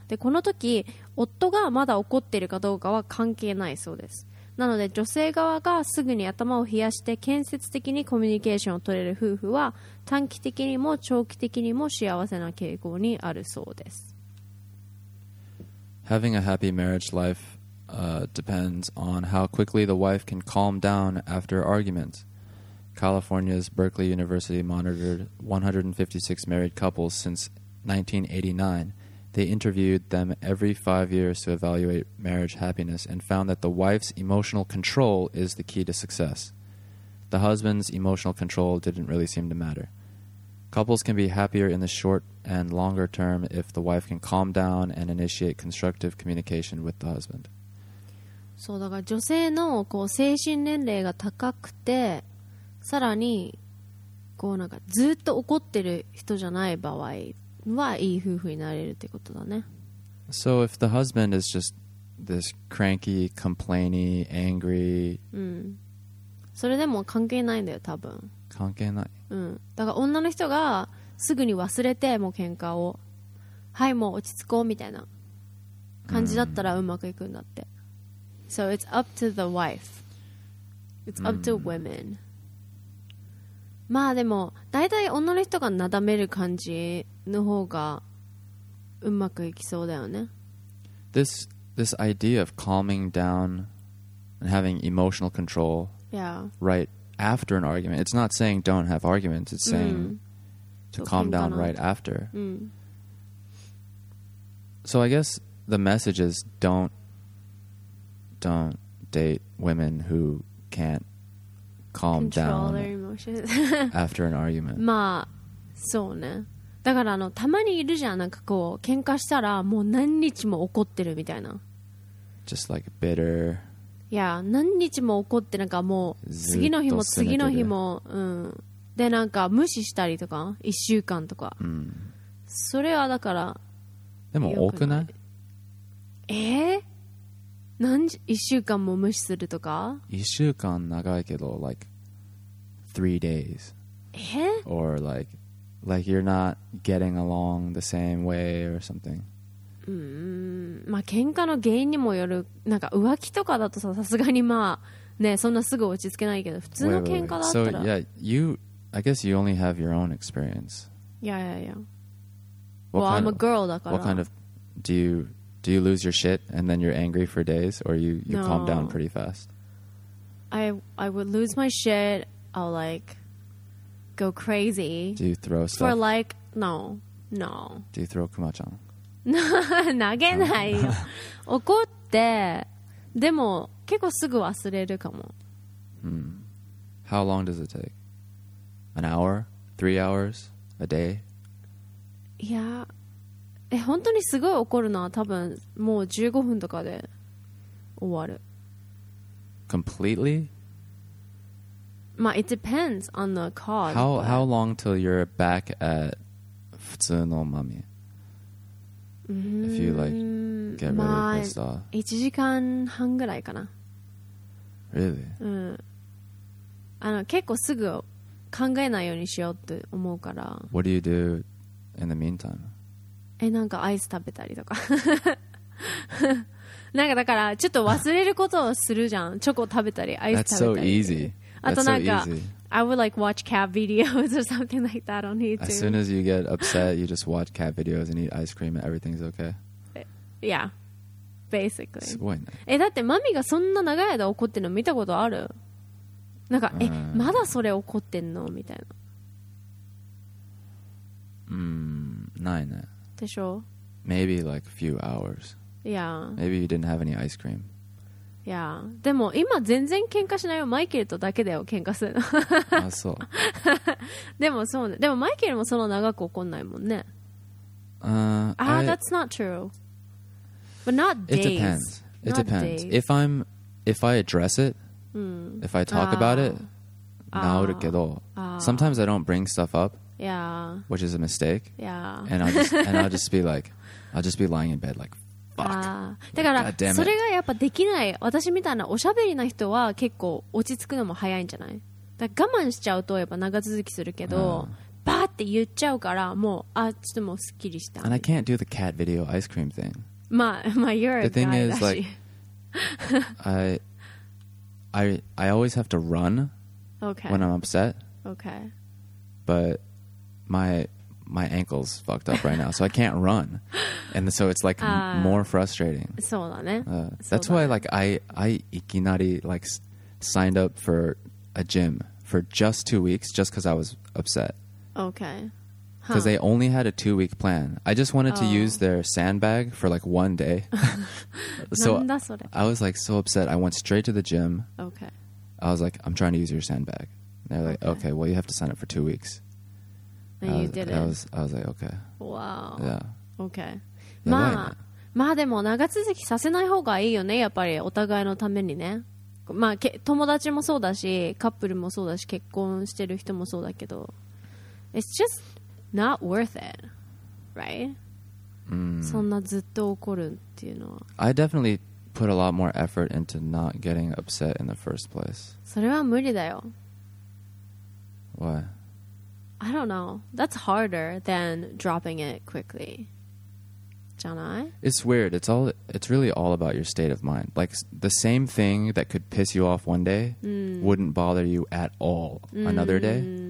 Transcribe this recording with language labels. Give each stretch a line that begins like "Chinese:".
Japanese: でこの時夫がまだ怒っているかどうかは関係ないそうです。なので女性側がすぐに頭を冷やして建設的にコミュニケーションを取れる夫婦は短期的にも長期的にも幸せな傾向にあるそうです。
English: Having a happy marriage life depends on how quickly the wife can calm down after arguments. California's Berkeley University monitored 156 married couples since 1989. They interviewed them every 5 years to evaluate marriage happiness and found that the wife's emotional control is the key to success. The husband's emotional control didn't really seem to matter. Couples can be happier in the short and longer term if the wife can calm down and initiate constructive communication with the husband.
Japanese: そうだから女性のこう精神年齢が高くて、さらにこうなんかずっと怒ってる人じゃない場合はいい夫婦になれるってことだね。
English: So if the husband is just this cranky, complainy, angry,
Japanese: それでも関係ないんだよ多分。関係ない。だから女の人がすぐに忘れてもう喧嘩を、はいもう落ち着こうみたいな感じだったらうまくいくんだって。
English: So it's up to the wife. It's up to women.
Japanese: まあでも大体女の人がなだめる感じの方がうまくいきそうだよね。
English: This idea of calming down and having emotional control. Yeah. Right. After an argument, it's not saying don't have arguments. It's saying to calm down right after. So I guess the message is don't date women who can't calm down after an argument.
Japanese: まあそうね。だからあのたまにいるじゃん、なんかこう喧嘩したらもう何日も怒ってるみたいな。
English: Just like bitter.
Japanese: いや何日も怒ってなんかもう次の日も次の日も、でなんか無視したりとか1週間とか、それはだからでも多くない？ええー、何一週間も無視するとか一週間長いけど
English: like three days
Japanese: え
English: or like like you're not getting along the same way or something
Japanese: まあ喧嘩の原因にもよるなんか浮気とかだとささすがにまあねそんなすぐ落ち着けないけど普通の喧嘩だったら
English: So yeah you I guess you only have your own experience yeah yeah yeah what well I'm a girl だから what kind of do you lose your shit and then you're angry for days or you calm down pretty fast I would lose my shit I'll like go crazy do you throw stuff for like no do you throw kumachan
Japanese: 投げないよ怒ってでも結構すぐ忘れるかも、
English: hmm. How long does it take? An hour? Three hours? A day?
Japanese: いやえ本当にすごい怒るな多分もう15分とかで終わる
English: Completely? まあ it depends on the cause How long till you're back at
Japanese: 普通のマミ
English: If you like get rid of this stuff,
Japanese: 1時間半ぐらいかな
English: Really?
Japanese: うん。結構すぐ考えないようにしようって思うから。
English: What do you do in the meantime?
Japanese: え、なんかアイス食べたりとか。なんかだからちょっと忘れることをするじゃん。チョコ食べたり、アイス食べたり。
English: That's so easy. That's so easy. I would like watch cat videos or something like that on YouTube. As soon as you get upset, you just watch cat videos and eat ice cream and everything's okay. Yeah, basically.
Japanese: すごいね。え、だってマミがそんな長い間怒ってんの見たことある？なんか、え、まだそれ怒ってんの？みたいな。ないね。でしょ？
English: Maybe like a few hours. Yeah. Maybe you didn't have any ice cream.
Japanese: いやでも今全然喧嘩しないよマイケルとだけだよ喧嘩するのあそうでもそうねでもマイケルもその長く怒んないもんね
English: I, that's not true but not days it depends it depends、 days. if I'm if I address it、
Japanese: うん、
English: if I talk about it
Japanese: なるけど
English: sometimes I don't bring stuff up yeah which is a mistake yeah and I'll just be like I'll just be lying in bed like
Japanese: だからそれがやっぱできない私みたいなおしゃべりな人は結構落ち着くのも早いんじゃないだから我慢しちゃうとやっぱ長続きするけど、バーって言っちゃうからもうあちょっともうすっきりした
English: And I can't do the cat video ice cream thing まあ、まあ、you're a guy The thing is like I always have to run Okay When I'm upset Okay But my ankle's fucked up right now so I can't run and so it's like more frustrating
Japanese: そうだね
English: that's why like I
Japanese: いきなり
English: like signed up for a gym for just 2 weeks just because I was upset okay because、huh. they only had a 2 week plan I just wanted、oh. to use their sandbag for like one day
Japanese: so なんだそれ?
English: I was like so upset I went straight to the gym okay I was like I'm trying to use your sandbag and they're like okay well you have to sign up for 2 weeks And you did it. I was like, okay. Wow. Yeah. Okay.
Japanese: まあ、まあでも長続きさせない方がいいよね。やっぱりお互いのためにね。まあ、友達もそうだし、カップルもそうだし、結婚してる人もそうだけど。
English: It's just not worth it. Right?
Japanese: そんなずっと怒るっていうのは。
English: I definitely put a lot more effort into not getting upset in the first place.
Japanese: それは無理だよ。
English: Why? I don't know. That's harder than dropping it quickly.
Japanese: じゃない?
English: It's weird. It's really all about your state of mind. Like, the same thing that could piss you off one day wouldn't bother you at all another day.